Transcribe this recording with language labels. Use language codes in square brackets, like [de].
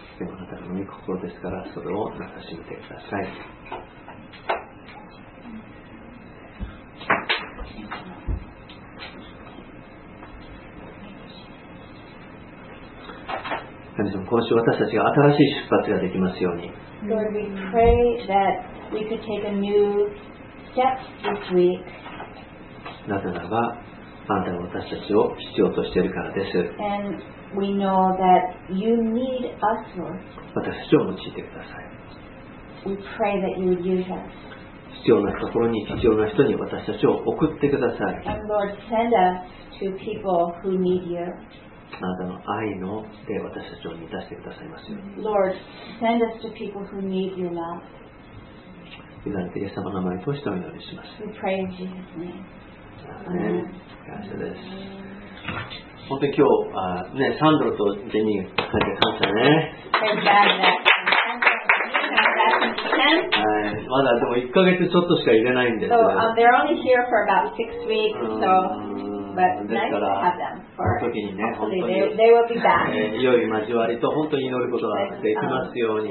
[ja] でもあなたの御心ですから、神様、今週私たちが新しい出発ができますように。 [en] Lord, we pray that we could take a new step this week. [ja] なぜならば、あなたが私たちを必要としているからです。 [en] And we know that you need us, Lord. [ja] 私たちを用いてください。 [en] We pray that you would use us. [ja] 必要なところに必要な人に私たちを送ってください。 [en] And Lord, send us to people who need you. [ja] あなたの愛ので私たちを満たしてくださいますように。 [en] Lord, send us to people who need your love. [ja] 委ねてイエス様の名前を通してお祈りします。 [en] We pray in Jesus' name. [ja] アーメン。感謝です。本当に今日、ね、サンドロとジェニーに感謝ね。 [en] Thank you. [ja] はい、まだでも1ヶ月ちょっとしか入れないんです [en] が、so, they're only here for about 6 weeks, so, but nice to have them for hopefully they will be back. [ja] 良い交わりと本当に祈ることができますように。